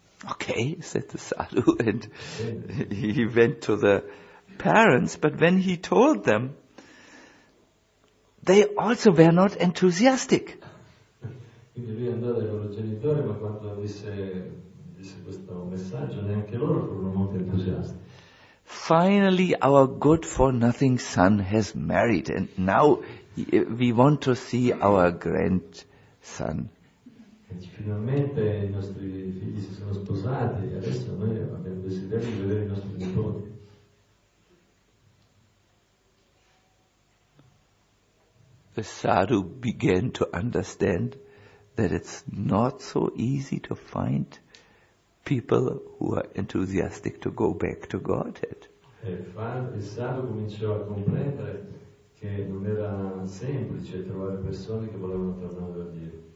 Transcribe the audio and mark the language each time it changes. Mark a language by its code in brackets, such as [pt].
[en] Okay, said the sadhu, and he went to the parents, but when he told them, they also were not enthusiastic. [it] Quindi lui andò dai loro genitori, ma quando disse questo messaggio, neanche loro furono molto entusiasti. [en] Finally, our good for nothing son has married, and now we want to see our grandson. [it] Finalmente i nostri figli si sono sposati, e adesso noi abbiamo desiderio di vedere i nostri nipoti. [en] The sadhu began to understand that it's not so easy to find people who are enthusiastic to go back to Godhead. [it] Il sadhu cominciò a comprendere che non era semplice trovare persone che volevano tornare a Dio.